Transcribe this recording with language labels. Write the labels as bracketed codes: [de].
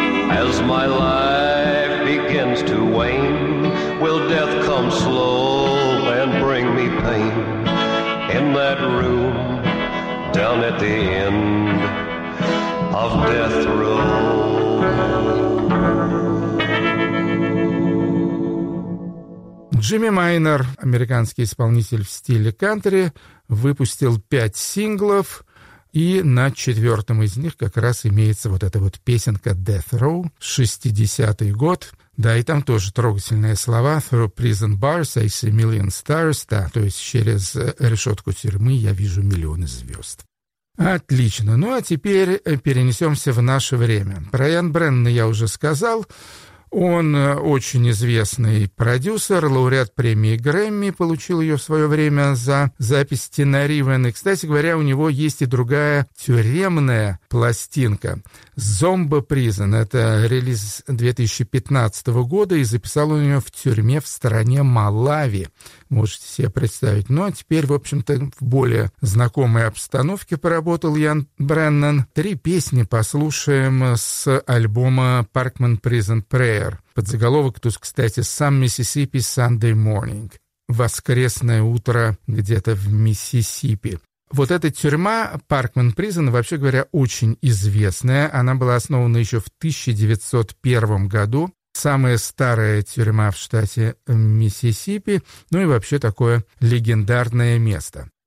[en] As my life begins to wane, will death come slow and bring me pain in that room down at the end of death row? [ru] Джимми Майнер, американский исполнитель в стиле кантри, выпустил 5 синглов, и на четвертом из них как раз имеется вот эта вот песенка «Death Row», 60-й год. Да, и там тоже трогательные слова [en] «Through prison bars I see million stars», [ru] да, то есть «Через решетку тюрьмы я вижу миллионы звезд». Отлично. Ну, а теперь перенесемся в наше время. Про Ян Брэннона я уже сказал. Он очень известный продюсер, лауреат премии Грэмми, получил ее в свое время за запись «Тина Ривен». И, кстати говоря, у него есть и другая тюремная пластинка «Зомбо Призон». Это релиз 2015 года, и записал он ее в тюрьме в стране Малави. Можете себе представить. Ну, а теперь, в общем-то, в более знакомой обстановке поработал Ян Брэннон. Три песни послушаем с альбома «Parkman Prison Prayer». Подзаголовок тут, кстати, «Some Mississippi Sunday Morning». «Воскресное утро где-то в Миссисипи». Вот эта тюрьма, Parkman Prison, вообще говоря, очень известная. Она была основана еще в 1901 году. Самая старая тюрьма в штате Миссисипи, ну и вообще такое легендарное место.